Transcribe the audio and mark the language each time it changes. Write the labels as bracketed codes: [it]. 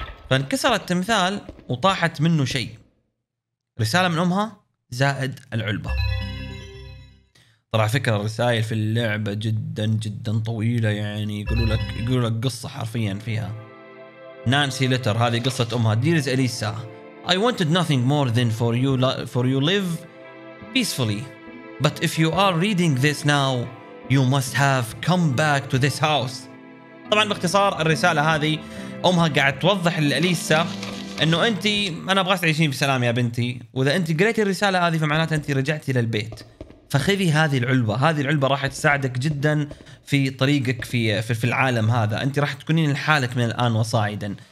[ar] فانكسر التمثال وطاحت منه شيء، رسالة من أمها زائد العلبة. طلع فكرة الرسائل في اللعبة جدا جدا طويلة، يعني يقولوا لك قصة حرفيا فيها. نانسي لتر، هذه قصة أمها. [en] Dear Elisa, I wanted nothing more than for you live peacefully, but if you are reading this now you must have come back to this house. [ar] طبعا باختصار الرسالة هذه أمها قاعد توضح لأليسا أنه أنتي، أنا أبغى تعيشين في سلام يا بنتي، وإذا أنتي قريتي الرسالة هذه فمعناتها أنتي رجعتي للبيت، فخذي هذه العلبة، هذه العلبة راح تساعدك جدا في طريقك في العالم هذا، أنتي راح تكونين لحالك من الآن وصاعدا.